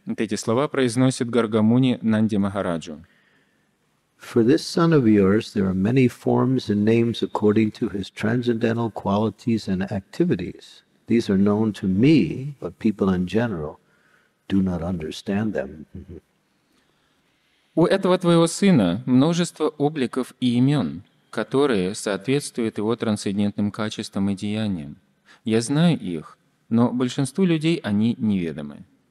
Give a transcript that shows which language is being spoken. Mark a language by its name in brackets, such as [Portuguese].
[Russian] Эти слова произносит Гарга Муни Нанде Махараджу. [English] For this son of yours, there are many forms and names according to his transcendental qualities and activities. These are known to me, but people in general do not understand them. [Russian] У этого твоего сына множество обликов и имен, которые соответствуют его трансцендентным качествам и деяниям. Я знаю их, но большинству людей они неведомы.